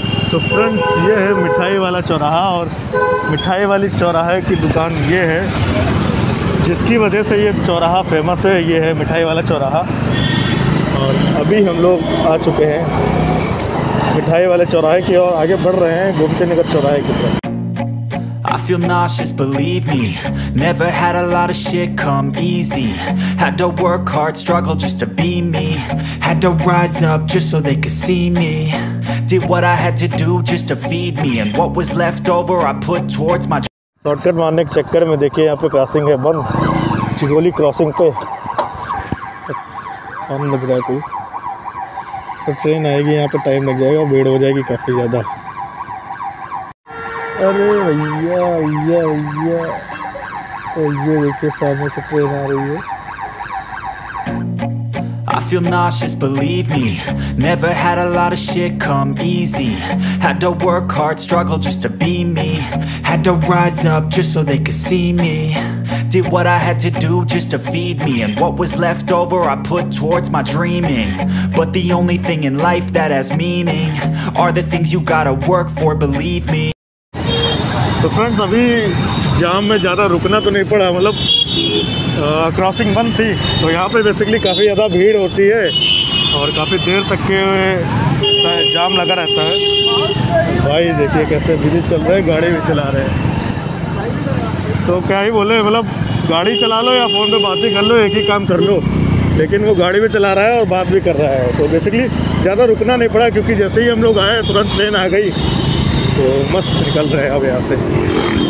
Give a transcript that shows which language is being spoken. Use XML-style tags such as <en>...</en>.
<hi>तो फ्रेंड्स ये है मिठाई वाला चौराहा, और मिठाई वाली चौराहे की दुकान ये है जिसकी वजह से ये चौराहा फेमस है, ये है मिठाई वाला चौराहा। और अभी हम लोग आ चुके हैं मिठाई वाले चौराहे की और आगे बढ़ रहे हैं गोमती नगर चौराहे की तरफ।</hi> <en>I feel nauseous, believe me. Never had a lot of shit come easy. Had to work hard, struggle just to be me. Had to rise up just so they could see me. Did what I had to do just to feed me. And what was left over I put towards my...</en> <hi>Shortcut मारने के चक्कर में देखिए यहाँ पे crossing है बंद, चिकोली crossing पे कौन बज रहा है कोई, तो ट्रेन आएगी यहाँ पे, टाइम लग जाएगा, भीड़ हो जाएगी काफ़ी ज़्यादा। अरे भैया भैया भैया, तो ये देखिए सामने से ट्रेन आ रही है।</hi> <en>I feel nauseous, believe me. Never had a lot of shit come easy. Had to work hard, struggle just to be me. Had to rise up just so they could see me. Did what I had to do just to feed me. And what was left over I put towards my dreaming. But the only thing in life that has meaning are the things you gotta work for, believe me.</en> <hi>तो friends अभी जाम में ज़्यादा रुकना तो नहीं पड़ा, मतलब crossing बंद थी तो यहाँ पे बेसिकली काफ़ी ज़्यादा भीड़ होती है और काफ़ी देर तक के जाम लगा रहता है। भाई देखिए कैसे धीरे चल रहे हैं, गाड़ी भी चला रहे हैं, तो क्या ही बोले, मतलब गाड़ी चला लो या फ़ोन पे बात ही कर लो, एक ही काम कर लो, लेकिन वो गाड़ी भी चला रहा है और बात भी कर रहा है, तो बेसिकली ज़्यादा रुकना नहीं पड़ा क्योंकि जैसे ही हम लोग आए तुरंत ट्रेन आ गई, तो मस्त निकल रहे हैं अब यहाँ से।</hi>